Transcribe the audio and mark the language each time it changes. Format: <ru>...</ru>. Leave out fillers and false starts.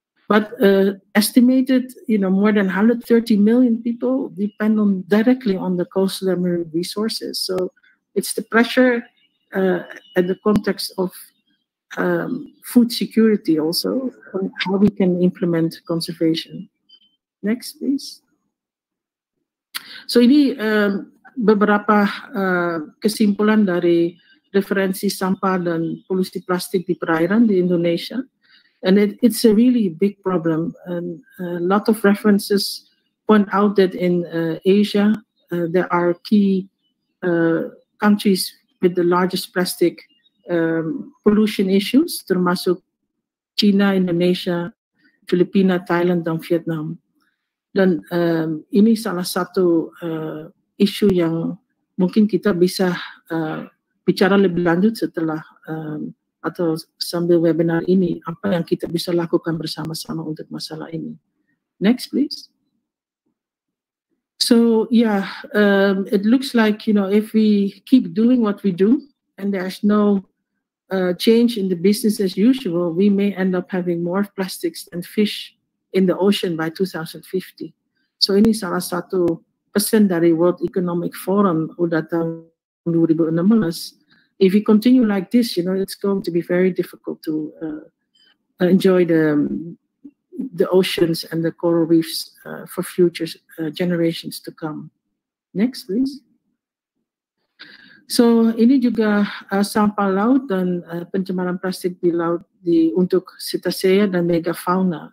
<en>But estimated, you know, more than 130 million people depend on directly on the coastal marine resources. So it's the pressure at the context of food security also, and how we can implement conservation. Next, please.</en> <id>So ini beberapa kesimpulan dari referensi sampah dan polusi plastik di perairan di Indonesia.</id> <en>And it's a really big problem. And a lot of references point out that in Asia, there are key countries with the largest plastic pollution issues,</en> <id>termasuk China, Indonesia, Filipina, Thailand, dan Vietnam. Dan ini salah satu isu yang mungkin kita bisa bicara lebih lanjut setelah atau sambil webinar ini, apa yang kita bisa lakukan bersama-sama untuk masalah ini.</id> <en>Next, please. So, yeah, it looks like, you know, if we keep doing what we do and there's no change in the business as usual, we may end up having more plastics than fish in the ocean by 2050.</en> <id>So ini salah satu pesan dari World Economic Forum udah tahun 2016.</id> <en>If we continue like this, you know, it's going to be very difficult to enjoy the oceans and the coral reefs for future generations to come. Next, please.</en> <id>So ini juga sampah laut dan pencemaran plastik di laut untuk cetacea dan megafauna.</id>